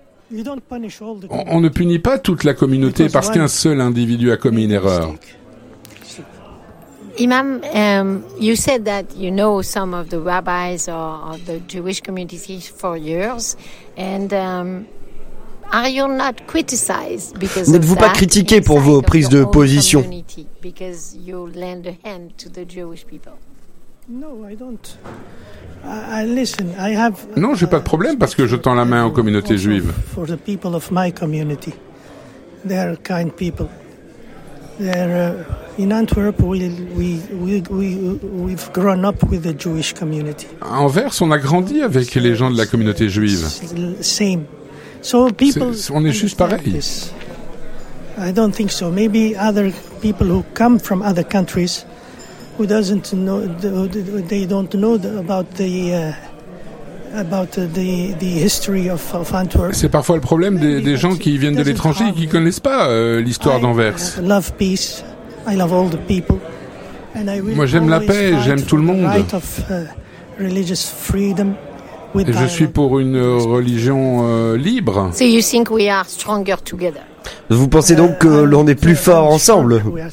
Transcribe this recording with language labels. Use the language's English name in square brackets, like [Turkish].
[French] On ne punit pas toute la communauté parce qu'un seul individu a commis une erreur. [English] Imam, you said that you know some of the rabbis or of the Jewish community for years, and are you not criticized because of that? [French] N'êtes-vous pas critiqué pour vos prises de position? [English] Because you lend a hand to the Jewish people. No, I don't. Listen, I have, [French] non, je n'ai pas de problème parce que je tends la main aux communautés juives. [English] For the people of my community, they are kind people. They're in Antwerp, we've grown up with the Jewish community. [French] À Anvers, on a grandi avec les gens de la communauté juive. [English] Same. So people, [French] on est juste pareil. [English] I don't think so. Maybe other people who come from other countries. Who doesn't know? They don't know about the history of Antwerp. [French] C'est parfois le problème des gens qui viennent de l'étranger et qui connaissent pas l'histoire d'Anvers. [English] I love peace. I love all the people. And I will. [French] Moi, j'aime la paix. J'aime tout le monde. [English] Right of religious freedom. [French] Et je suis pour une religion libre. [English] So you think we are stronger together? [French] Vous pensez donc que l'on est plus fort ensemble?